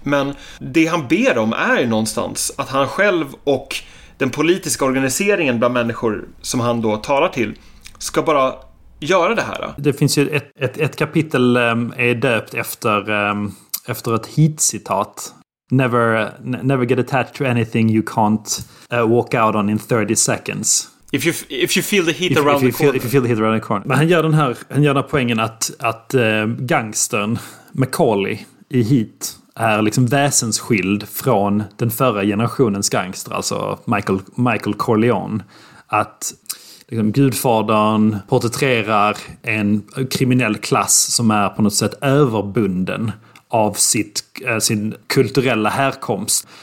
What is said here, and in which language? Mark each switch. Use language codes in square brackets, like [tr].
[sv] Men det han ber om är ju någonstans att han själv och den politiska organiseringen bland människor som han då talar till ska bara göra det här. Det finns ju ett kapitel är döpt efter ett Heat-citat. [en] Never get attached to anything you can't walk out on in 30 seconds. If you feel the heat around the corner. [sv] Men han gör den här poängen att gangstern Macaulay i Heat är liksom väsensskild från den förra generationens gangster, alltså Michael Corleone. Att liksom gudfadern porträtterar en kriminell klass som är på något sätt överbunden av sin kulturella härkomst.